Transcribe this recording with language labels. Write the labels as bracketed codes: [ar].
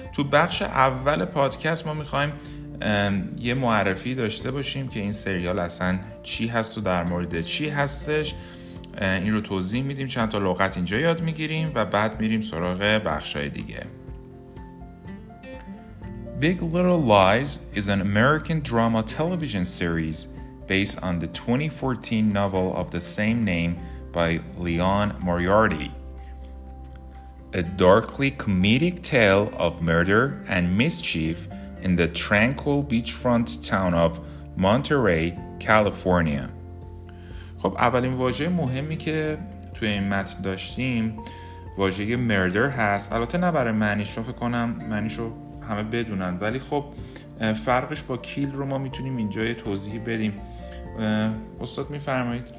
[fa] تو بخش اول پادکست ما میخوایم یه معرفی داشته باشیم که این سریال اصلا چی هست و در مورد چی هستش. این رو توضیح میدیم، چند تا لغت اینجا یاد میگیریم و بعد میریم سراغ بخشای دیگه. [en] Big Little Lies is an American drama television series based on the 2014 novel of the same name by Leon Moriarty. A darkly comedic tale of murder and mischief in the tranquil beachfront town of Monterey, California. [fa] خب اولین واژه مهمی که توی این متن داشتیم واژه مردر هست. البته نه برای معنیش رو فکر کنم معنیش رو همه بدونن، ولی خب فرقش با کیل رو ما میتونیم اینجا یه توضیح بدیم. استاد میفرمایید؟